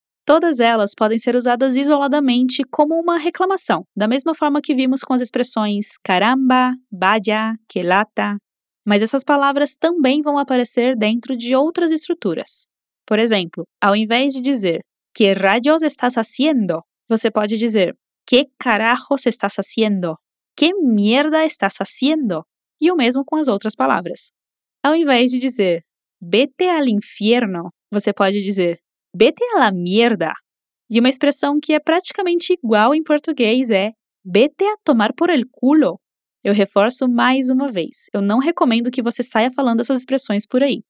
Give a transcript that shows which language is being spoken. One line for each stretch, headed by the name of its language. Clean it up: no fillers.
Portuguese: Todas elas podem ser usadas isoladamente como uma reclamação, da mesma forma que vimos com as expressões caramba, vaya, que lata. Mas essas palavras também vão aparecer dentro de outras estruturas. Por exemplo, ao invés de dizer
Spanish: ¿qué rayos estás haciendo?
Portuguese: Você pode dizer
Spanish: ¿qué carajos estás haciendo? ¿Qué mierda estás haciendo?
Portuguese: E o mesmo com as outras palavras. Ao invés de dizer
Spanish: vete al infierno,
Portuguese: você pode dizer
Spanish: vete a la mierda.
Portuguese: E uma expressão que é praticamente igual em português é
Spanish: vete a tomar por el culo.
Portuguese: Eu reforço mais uma vez, eu não recomendo que você saia falando essas expressões por aí.